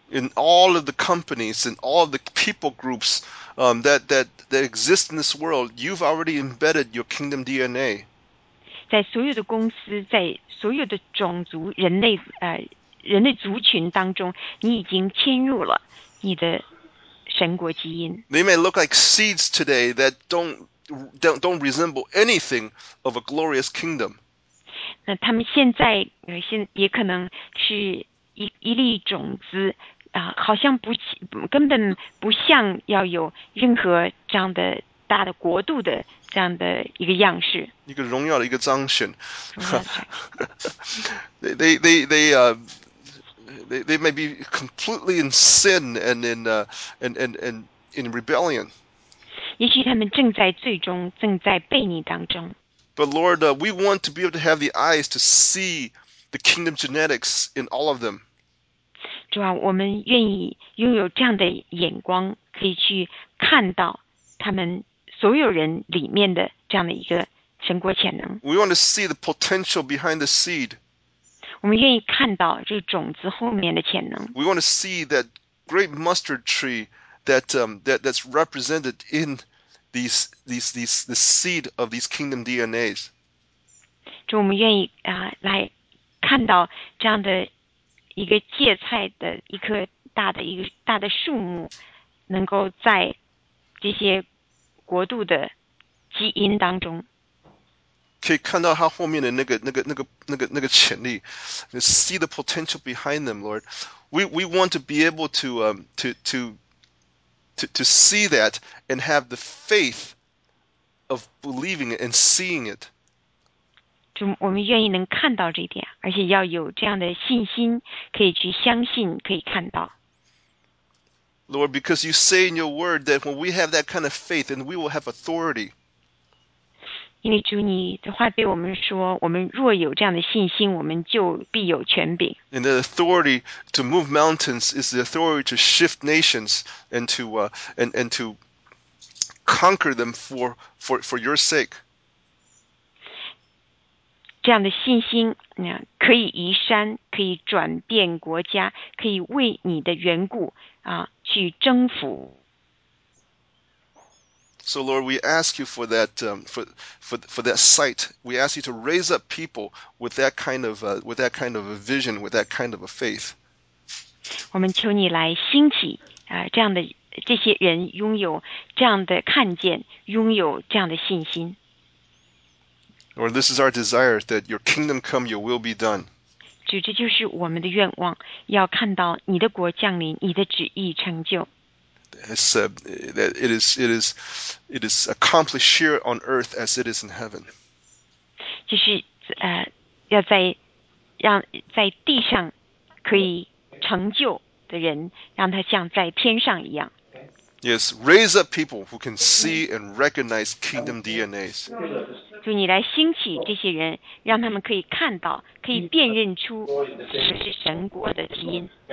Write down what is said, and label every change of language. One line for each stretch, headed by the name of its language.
English: In all of the companies and all of the people groups that exist in this world, you've already embedded your kingdom DNA.
Chinese: 在所有的公司，在所有的种族、人类族群当中，你已经嵌入了你的神国基因。
English: They may look like seeds today that don't resemble anything of a glorious kingdom.
Chinese: 那他们现在也可能是一粒种子好像不根本不像要有任何这样的。大的国度的这样的一个样式，一个荣耀的一个彰显。
English: they may be completely in sin and in rebellion.
Chinese: 也许他们正在最终正在悖逆当中。
English: But Lord, we want to be able to have the eyes to see the kingdom genetics in all of them.
Chinese: 主啊，我们愿意拥有这样的眼光，可以去看到他们。所有人里面的这样的一个神国潜能。
English: We want to see the potential behind the seed.
Chinese: 我们愿意看到这个种子后面的潜能。
English: We want to see that great mustard tree that,、that's represented in the seed of these kingdom DNAs.
Chinese: 就我们愿意、来看到这样的一个芥菜的一棵大的一个大的树木能够在这些国度的基因当中可以看到它后面的那个潜力
English: see the potential behind them Lord we want to be able to see that and have the faith of believing it and seeing it
Chinese: 我们愿意能看到这点而且要有这样的信心可以去相信可以看到
English: Lord because you say in your word that when we have that kind of faith then we will have authority
Chinese: 因为主你的话对我们说我们若有这样的信心我们就必有权柄
English: And the authority to move mountains is the authority to shift nations and to conquer them for your sake
Chinese: 这样的信心可以移山可以转变国家可以为你的缘故、去征服
English: So Lord we ask you for that,、for that sight we ask you to raise up people with that kind of,、with that kind of a vision with that kind of a faith
Chinese: 我们求你来兴起、这样的这些人拥有这样的看见拥有这样的信心
English: Lord, this is our desire that your kingdom come, your will be done.
Chinese: 主，这就是我们的愿望，要看到你的国降临，你的旨意成就。
English: It is accomplished here on earth as it is in heaven.
Chinese: 就是要在让在地上可以成就的人，让他像在天上一样。
English: Yes, raise up people who can see and recognize kingdom DNAs.
Chinese: 主你来兴起这些人，让他们可以看到，可以辨认出什么是神国的基因。